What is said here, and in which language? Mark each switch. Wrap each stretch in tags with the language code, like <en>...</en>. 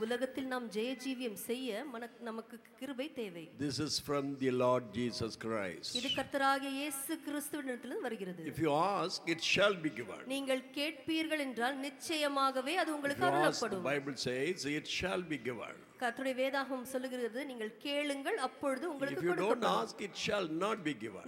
<ta>உலகத்தில் நாம் ஜெய ஜீவியம் செய்ய நமக்கு கிருபை தேவை.</ta> <en>This is from the Lord Jesus Christ.</en> <ta>இது கர்த்தராகிய இயேசு கிறிஸ்துவினிடத்திலிருந்து வருகிறது.</ta> <en>If you ask, it shall be given.</en> <ta>நீங்கள் கேட்பீர்கள் என்றால் நிச்சயமாகவே அது உங்களுக்கு அருளப்படும்.</ta> <en>The Bible says it shall be given.</en> <ta>கர்த்தருடைய வேதாகமம் சொல்லுகிறது, நீங்கள் கேளுங்கள் அப்பொழுது உங்களுக்கு கொடுக்கப்படும்.</ta> <en>If you don't ask, it shall not be given.</en>